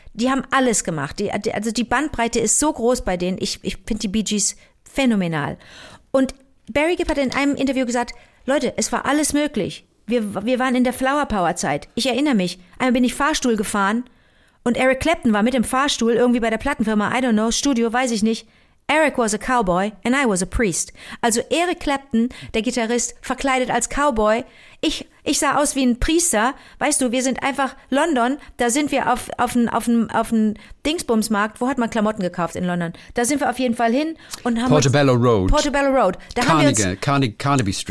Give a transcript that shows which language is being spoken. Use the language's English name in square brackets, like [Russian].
[German] Die haben alles gemacht. Die Bandbreite ist so groß bei denen. Ich finde die Bee Gees phänomenal. Und Barry Gibb hat in einem Interview gesagt, Leute, es war alles möglich. Wir waren in der Flower Power Zeit. Ich erinnere mich. Einmal bin ich Fahrstuhl gefahren und Eric Clapton war mit dem Fahrstuhl irgendwie bei der Plattenfirma. [English] I don't know. [German] Studio, weiß ich nicht. [English] Eric was a cowboy and I was a priest. [German] Also Eric Clapton, der Gitarrist, verkleidet als Cowboy. Ich sah aus wie ein Priester. Weißt du, wir sind einfach London. Da sind wir auf einen Dingsbumsmarkt. Wo hat man Klamotten gekauft in London? Da sind wir auf jeden Fall hin und haben Portobello Road. Da Carnaby Street.